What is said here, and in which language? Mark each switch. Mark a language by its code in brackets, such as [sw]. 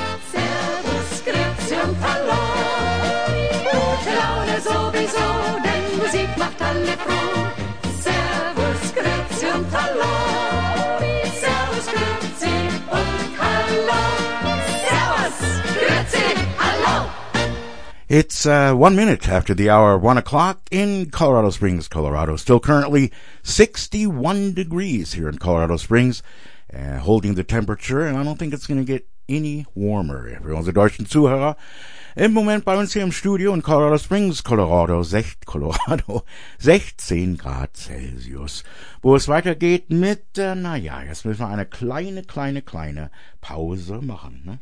[de] Servus, Grüezi und Hallo, gute Laune sowieso, denn Musik macht alle froh. Servus, Grüezi und Hallo, Servus, Grüezi und Hallo, Servus, Grüezi, Hallo. [en] It's 1 minute after the hour, 1 o'clock in Colorado Springs, Colorado. Still currently 61 degrees here in Colorado Springs, holding the temperature, and I don't think it's going to get any warmer. Everyone's a [de] Deutschen Zuhörer. Im Moment bei uns hier im Studio in Colorado Springs, Colorado, 16 Grad Celsius. Wo es weitergeht mit, jetzt müssen wir eine kleine Pause machen, ne?